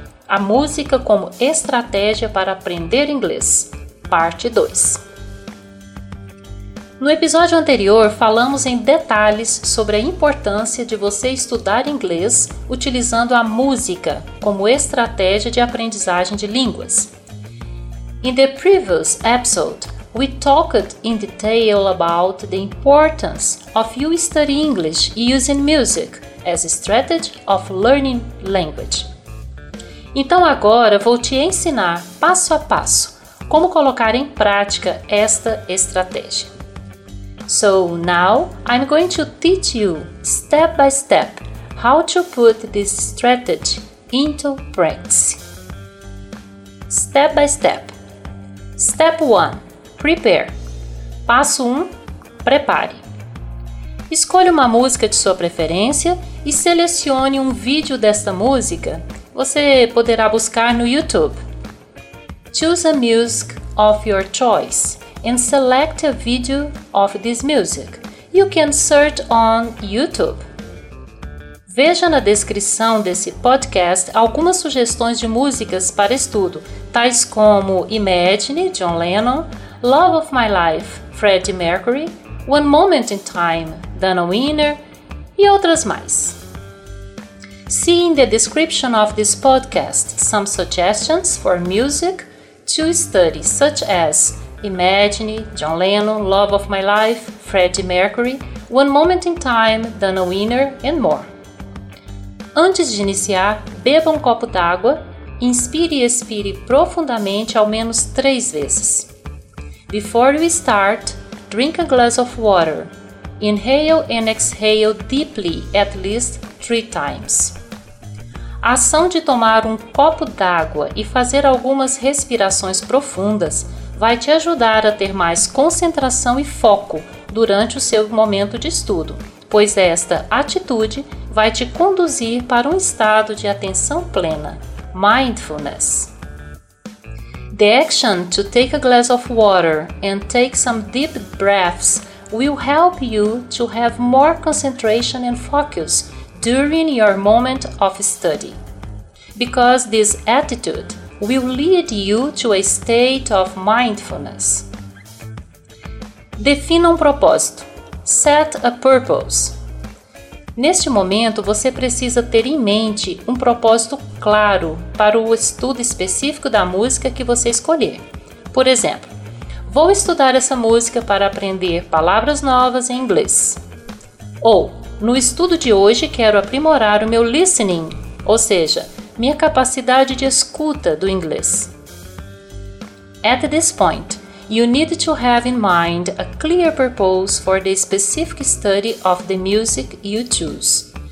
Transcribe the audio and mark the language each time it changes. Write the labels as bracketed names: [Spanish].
[Portuguese] A música como estratégia para aprender inglês, Parte 2. No episódio anterior, falamos em detalhes sobre a importância de você estudar inglês utilizando a música como estratégia de aprendizagem de línguas. [English] In the previous episode, we talked in detail about the importance of you studying English using music as a strategy of learning language. [Portuguese] Então agora vou te ensinar passo a passo como colocar em prática esta estratégia. [English] So now I'm going to teach you step by step how to put this strategy into practice. Step by step. Step 1. Prepare. [Portuguese] Passo 1. Prepare. Escolha uma música de sua preferência e selecione um vídeo desta música. Você poderá buscar no YouTube. [English] Choose a music of your choice and select a video of this music. You can search on YouTube. [Portuguese] Veja na descrição desse podcast algumas sugestões de músicas para estudo, tais como Imagine, John Lennon, Love of My Life, Freddie Mercury, One Moment in Time, Dana Winner e outras mais. [English] See in the description of this podcast some suggestions for music to study, such as Imagine, John Lennon, Love of My Life, Freddie Mercury, One Moment in Time, Dana Winner and more. [Portuguese] Antes de iniciar, beba um copo d'água, inspire e expire profundamente ao menos 3 vezes. [English] Before you start, drink a glass of water. Inhale and exhale deeply at least 3 times. [Portuguese] A ação de tomar um copo d'água e fazer algumas respirações profundas vai te ajudar a ter mais concentração e foco durante o seu momento de estudo, pois esta atitude vai te conduzir para um estado de atenção plena, mindfulness. [English] The action to take a glass of water and take some deep breaths will help you to have more concentration and focus during your moment of study, because this attitude will lead you to a state of mindfulness. [Portuguese] Defina um propósito. [English] Set a purpose. [Portuguese] Neste momento, você precisa ter em mente um propósito claro para o estudo específico da música que você escolher. Por exemplo, vou estudar essa música para aprender palavras novas em inglês. Ou, no estudo de hoje, quero aprimorar o meu listening, ou seja, minha capacidade de escuta do inglês. [English] At this point, you need to have in mind a clear purpose for the specific study of the music you choose.